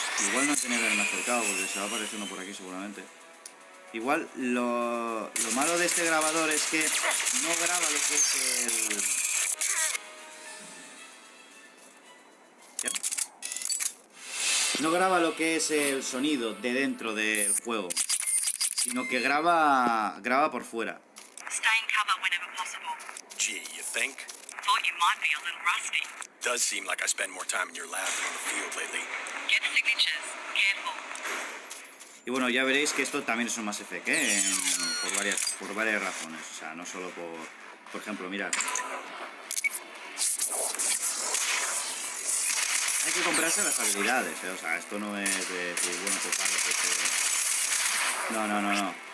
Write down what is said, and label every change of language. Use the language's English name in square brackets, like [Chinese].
[Spanish] Igual no tiene que haberme acercado porque se va apareciendo por aquí seguramente. Igual lo malo de este grabador es que no graba lo que es el... ¿Ya? no graba lo que es el sonido de dentro del juego, sino que graba por fuera. [English] Stay in cover whenever possible. Gee, you think? Thought you might be a little rusty. Does seem like I spend more time in your lab than in the field lately. Get signatures. Careful. [Spanish] Y bueno, ya veréis que esto también es un Mass Effect, ¿eh? Por varias razones. O sea, no solo por ejemplo, mirad. Hay que comprarse las habilidades, ¿eh? O sea, esto no es de decir, bueno, pues vale, pues... No.